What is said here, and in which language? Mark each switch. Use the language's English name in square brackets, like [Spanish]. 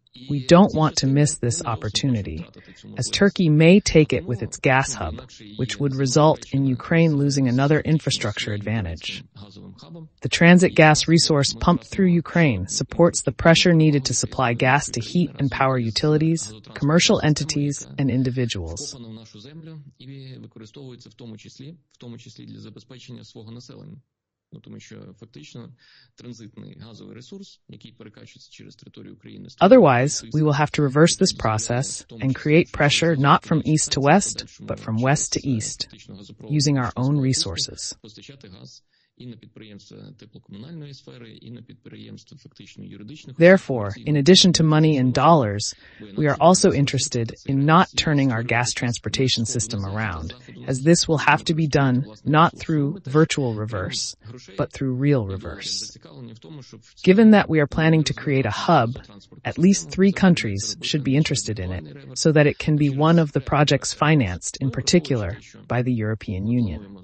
[English] We don't want to miss this opportunity, as Turkey may take it with its gas hub, which would result in Ukraine losing another infrastructure advantage. The transit gas resource pumped through Ukraine supports the pressure needed to supply gas to heat and power utilities, commercial entities, and individuals. [Ukrainian] Використовується в тому числі для забезпечення свого населення Ну, тому що фактично транзитний газовий ресурс, який перекачується через територію України, [English] otherwise we will have to reverse this process and create pressure not from east to west, but from west to east, using our own resources. [Ukrainian] Постачати газ і на підприємства теплокомунальної сфери, і на підприємства фактично юридичних. [English] Therefore, in addition to money and dollars, we are also interested in not turning our gas transportation system around, as this will have to be done not through virtual reverse, but through real reverse. Given that we are planning to create a hub, at least three countries should be interested in it, so that it can be one of the projects financed, in particular, by the European Union.